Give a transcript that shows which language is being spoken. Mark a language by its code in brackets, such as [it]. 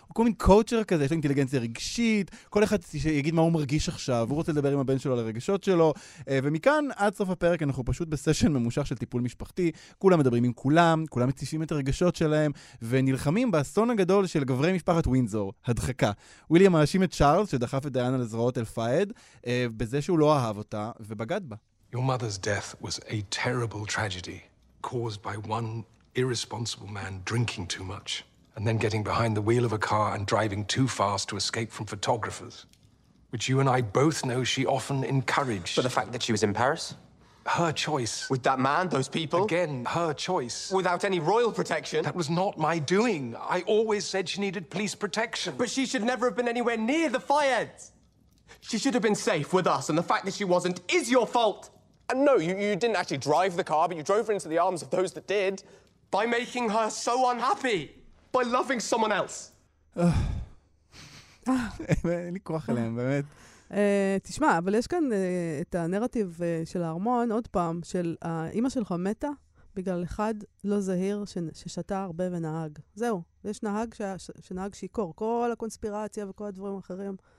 [he] הוא כל מין קואוצ'ר כזה, יש לו אינטליגנציה רגשית, כל אחד יגיד מה הוא מרגיש עכשיו, הוא רוצה לדבר עם הבן שלו על הרגשות שלו, ומכאן עד סוף הפרק אנחנו פשוט בסשן ממושך של טיפול משפחתי, כולם מדברים עם כולם, כולם מציפים את הרגשות שלהם, ונלחמים באסון הגדול של גברי משפחת ווינזור, הדחקה. ויליאם מאשים את צ'ארלס שדחף את דיאנה לזרועות אל פאד, בזה שהוא לא אהב אותה, ובגד בה. [en] Your mother's death was a terrible tragedy caused by one irresponsible man drinking too much and then getting behind the wheel of a car and driving too fast to escape from photographers, which you and I both know she often encouraged. But the fact that she was in Paris? Her choice. With that man, those people? Again, her choice. Without any royal protection? That was not my doing. I always said she needed police protection. But she should never have been anywhere near the fires. She should have been safe with us, and the fact that she wasn't is your fault. And no, you didn't actually drive the car, but you drove her into the arms of those that did by making her so unhappy, by loving someone else. [he] אין לי כוח אליהם, באמת. תשמע, אבל יש כאן את הנרטיב של הארמון, עוד פעם, של האמא שלך מתה בגלל אחד לא זהיר ששתה הרבה ונהג. זהו, יש נהג שנהג שיקור, כל הקונספירציה וכל הדברים האחרים.